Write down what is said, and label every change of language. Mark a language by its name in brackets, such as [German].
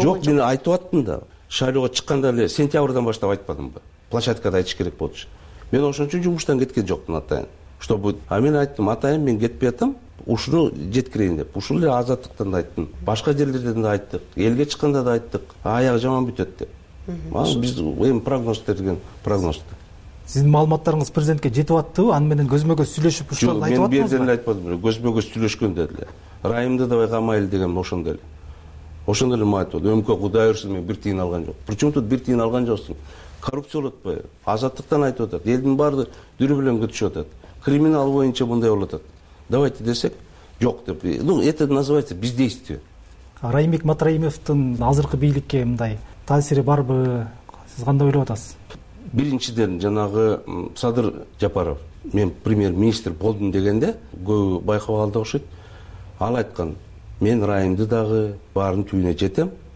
[Kyrgyz] Жок, мен айтып аттым да. Шайлоого чыкканда эле сентябрдан баштап айтпадымбы? Площадкада айтыш керек болчу. Мен ошон үчүн жумуштан кеткен жокмун атайын. Чтобы а мен айттым, атайын, мен кетпей атам, ушуну жеткирейин деп. Ушул эле азаттыктан да айттым. Башка жерлерден да айттык. Элге чыкканда да айттык. Аягы жаман бүтөт деп. Биз эми прогноз берген, прогноз. Сиздин маалыматтарыңыз президентке жетип аттыбы? Аны менен көзмө-көз сүйлөшүп ушул айтып атасызбы? Жок, мен бирден эле айтпадым. Көзмө-көз сүйлөшкөн деди эле. Райымды да байкамайлы деген ошондой эле. Ошондой эле маатып болду. Өмкө Кудай өрсүн, мен бир тыйын алган жок. Причем тут бир тыйын алган жоксуң? Коррупция болот бе? Азаттыктан айтып атат. Элдин баары дүрбүлөн күтүшүп атат. Криминал боюнча мындай болуп атат. Давайте десек, жок деп. [Russian] Ну, это называется бездействие. [Kyrgyz] Райым Бекматраимовдун азыркы бийликке мындай таасири барбы? Сиз кандай ойлоп атасыз? Биринчиден жанагы Садыр Жапаров, мен премьер-министр болдум дегенде көбү байкап алды окшойт. Ал айткан, мен Райымды дагы баарын түйүнө жетем.